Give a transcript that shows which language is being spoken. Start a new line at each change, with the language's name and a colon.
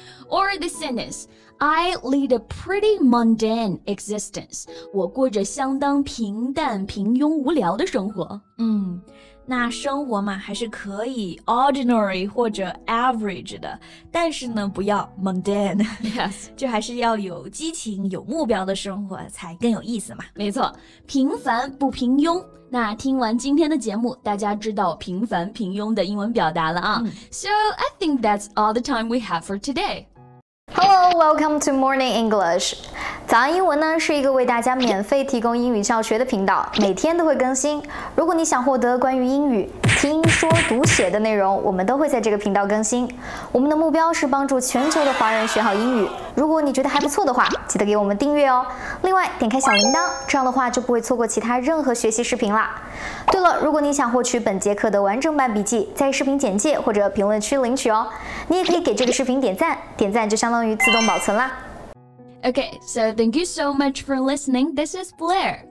English: Or the sentence,I lead a pretty mundane existence.
Chinese: 我过着相当平淡、平庸、无聊的生活。那生活嘛，还是可以 ordinary 或者 average 的，但是呢，不要 mundane.
English: Yes.
Chinese: 就还是要有激情、有目标的生活才更有意思嘛。没错，平凡不平庸。那听完今天的节目，大家知道平凡、平庸的英文表达了啊。
English: So I think that's all the time we have for today. Hello, welcome to Morning English.
Chinese: 早安英文呢是一个为大家免费提供英语教学的频道，每天都会更新。如果你想获得关于英语听说读写的内容，我们都会在这个频道更新。我们的目标是帮助全球的华人学好英语。如果你觉得还不错的话，记得给我们订阅哦。另外点开小铃铛，这样的话就不会错过其他任何学习视频了。对了，如果你想获取本节课的完整版笔记，在视频简介或者评论区领取哦。你也可以给这个视频点赞，点赞就相当于自动保存啦。
English: Okay, so thank you so much for listening. This is Blair.